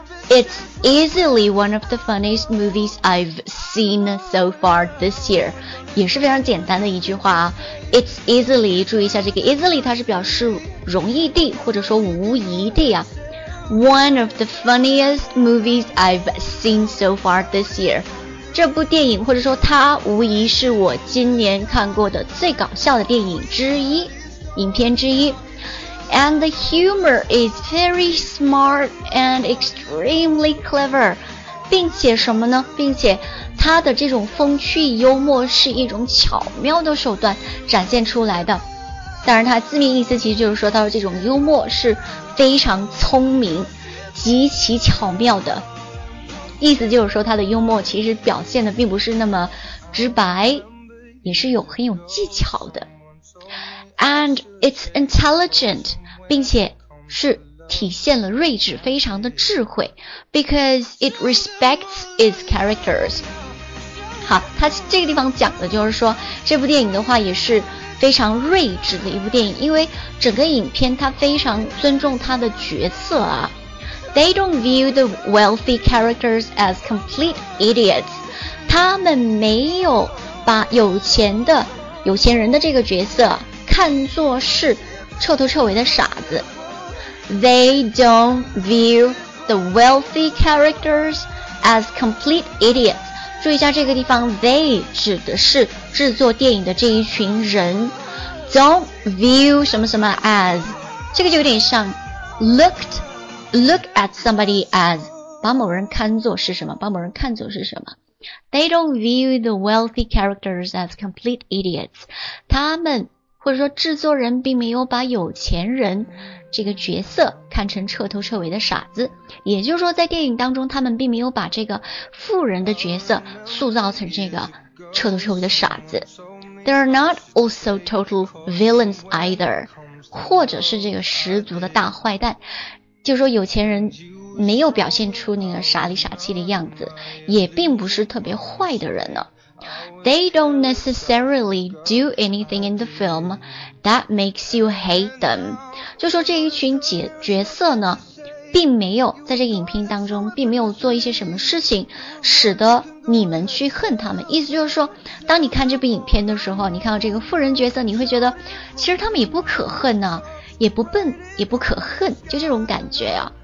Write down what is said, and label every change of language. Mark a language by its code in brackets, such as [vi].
[en] It's easily one of the funniest movies I've seen so far this year. [zh] 也是非常简单的一句话啊。 [en] It's easily, [zh] 注意一下这个 easily, 它是表示容易地或者说无疑地啊。 [en] One of the funniest movies I've seen so far this year. [zh] 这部电影或者说它无疑是我今年看过的最搞笑的电影之一，影片之一。 [en] And the humor is very smart and extremely clever. [zh] 并且什么呢？并且它的这种风趣幽默是一种巧妙的手段展现出来的。当然它字面意思其实就是说它的这种幽默是非常聪明极其巧妙的，意思就是说他的幽默其实表现的并不是那么直白，也是有很有技巧的。 [en] And it's intelligent, [zh] 并且是体现了睿智，非常的智慧。 [en] Because it respects its characters. [zh] 好，他这个地方讲的就是说这部电影的话也是非常睿智的一部电影，因为整个影片它非常尊重它的角色啊。 [en] They don't view the wealthy characters as complete idiots. [zh] 他们没有把有钱人的这个角色看作是彻头彻尾的傻子。 [en] They don't view the wealthy characters as complete idiots. [zh] 注意一下这个地方 they 指的是制作电影的这一群人。 [en] don't view [zh] 什么什么 as 这个就有点像 [en] look at somebody as [zh] 把某人看作是什么，把某人看作是什么。 [en] they don't view the wealthy characters as complete idiots. [zh] 他们或者说制作人并没有把有钱人这个角色看成彻头彻尾的傻子，也就是说在电影当中他们并没有把这个富人的角色塑造成这个彻头彻尾的傻子。 [en] They are not also total villains either, [zh] 或者是这个十足的大坏蛋，就是说有钱人没有表现出那个傻里傻气的样子，也并不是特别坏的人呢。 [en] They don't necessarily do anything in the film that makes you hate them. [zh] 就说这一群角色呢，并没有在这个影片当中，并没有做一些什么事情，使得你们去恨他们。意思就是说，当你看这部影片的时候，你看到这个富人角色，你会觉得，其实他们也不可恨呢，也不笨，也不可恨，就这种感觉啊。